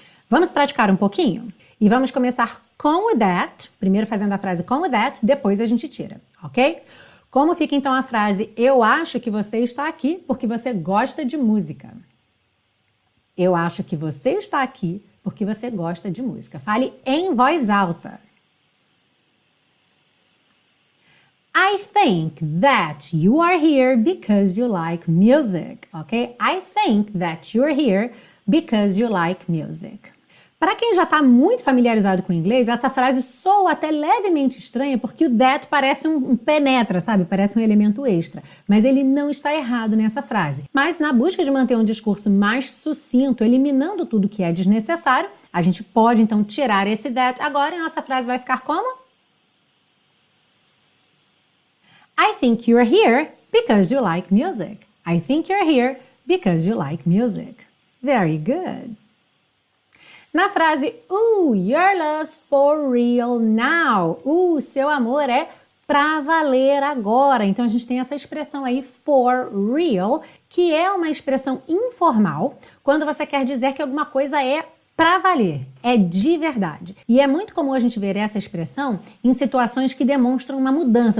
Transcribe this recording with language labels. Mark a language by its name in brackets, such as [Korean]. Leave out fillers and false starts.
[Portuguese] Vamos praticar um pouquinho? E vamos começar com o that, primeiro fazendo a frase com o that, depois a gente tira, ok? Como fica então a frase eu acho que você está aqui porque você gosta de música? Eu acho que você está aqui porque você gosta de música. Fale em voz alta. [English] I think that you are here because you like music, ok? I think that you're here because you like music. [Portuguese] Para quem já está muito familiarizado com o inglês, essa frase soa até levemente estranha porque o that parece um penetra, sabe? Parece um elemento extra. Mas ele não está errado nessa frase. Mas na busca de manter um discurso mais sucinto, eliminando tudo que é desnecessário, a gente pode então tirar esse that agora e nossa frase vai ficar como? [English] I think you're here because you like music. I think you're here because you like music. Very good. [Portuguese] Na frase, [English] ooh, your love's for real now. [Portuguese] O seu amor é pra valer agora. Então a gente tem essa expressão aí, for real, que é uma expressão informal quando você quer dizer que alguma coisa é pra valer, é de verdade. E é muito comum a gente ver essa expressão em situações que demonstram uma mudança.